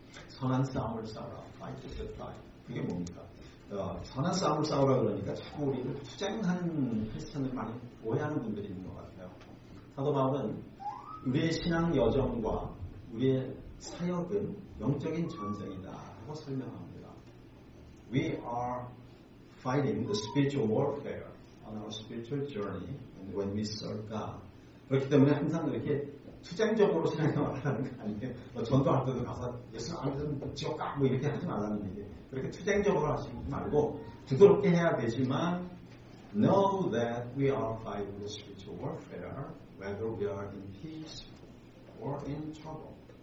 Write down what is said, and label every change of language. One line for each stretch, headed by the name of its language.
Korean: 선한 싸움을 싸우라.
English: Fight the good fight.
Korean: 그게 뭡니까? 선한 싸움을 싸우라 그러니까 자꾸 우리를 투쟁하는 크리스천을 많이 오해하는 분들이 있는 것 같아요. 사도 바울은 우리의 신앙 여정과 우리의 사역은 영적인 전쟁이다 라고 설명합니다.
English: We are fighting the spiritual warfare on our spiritual journey and when we serve God.
Korean: 그렇기 때문에 항상 이렇게 투쟁적으로 신앙생활을 하는 게 아니에요. 뭐 전도할 때도 가서 예수 안 믿으면 지옥 가 뭐 이렇게 하지 말라는 얘기예요. 그렇게 투쟁적으로 하시지 말고 부드럽게 해야 되지만
English: Know that we are fighting the spiritual warfare whether we are in peace or in trouble.